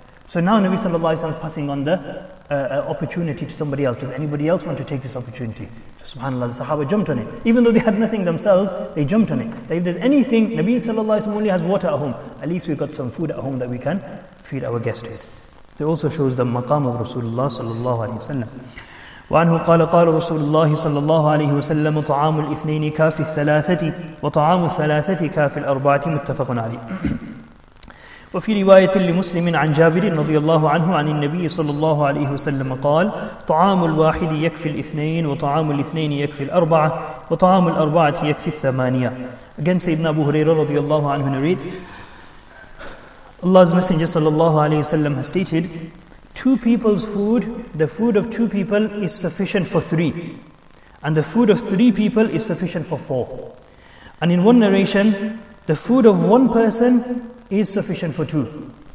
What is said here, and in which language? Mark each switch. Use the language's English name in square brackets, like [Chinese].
[English] So now Nabi sallallahu alayhi wa sallam is passing on the opportunity to somebody else. Does anybody else want to take this opportunity? So subhanAllah, the sahaba jumped on it. Even though they had nothing themselves, they jumped on it. That if there's anything, Nabi sallallahu alayhi wa sallam only has water at home, at least we've got some food at home that we can feed our guests with. It also shows the maqam of Rasulullah sallallahu alayhi wa sallam. [Arabic] وعنه قال قال رسول الله صلى الله عليه وسلم طعام الاثنين كاف الثلاثة وطعام الثلاثة كاف الأربعة متفق عليه. وفي رواية لمسلم عن جابر رضي الله عنه عن النبي صلى الله عليه وسلم قال طعام الواحد يكفي الاثنين وطعام الاثنين يكفي الأربعة وطعام الأربعة يكفي الثمانية. [English] Again, سيدنا أبو هريرة رضي الله عنه narrates, Allah's Messenger صلى الله عليه وسلم has stated, two people's food, the food of two people is sufficient for three. And the food of three people is sufficient for four. And in one narration, the food of one person is sufficient for two.